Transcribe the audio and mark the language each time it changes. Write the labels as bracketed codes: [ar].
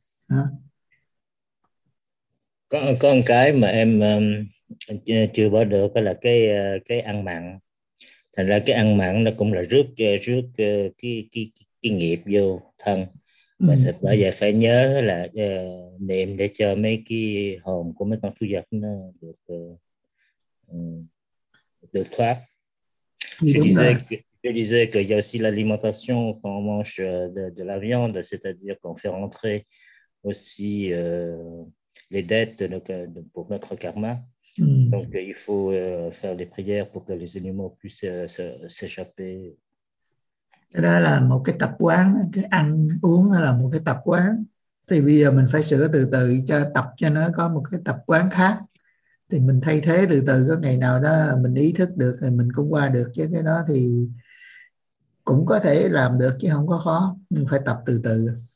[vi] Hein? Có một cái mà em chưa bỏ được là cái ăn mặn. Thành ra cái ăn mặn nó cũng là rước rước cái nghiệp vô thân. Và sạch bây giờ phải nhớ là niệm để cho mấy cái hồn của mấy con thú vật nó được được thoát. [fr] Je disais qu'il y a aussi l'alimentation quand on mange de la viande, c'est-à-dire qu'on fait rentrer aussi les dettes pour notre karma. Donc il faut faire des prières pour que les animaux puissent s'échapper. [vi] Cái đó là một cái tập quán, cái ăn uống là một cái tập quán. Thì bây giờ mình phải sửa từ từ cho tập cho nó có một cái tập quán khác. Thì mình thay thế từ từ, có ngày nào đó mình ý thức được thì mình cũng qua được. Chứ cái đó thì cũng có thể làm được chứ không có khó. Mình phải tập từ từ.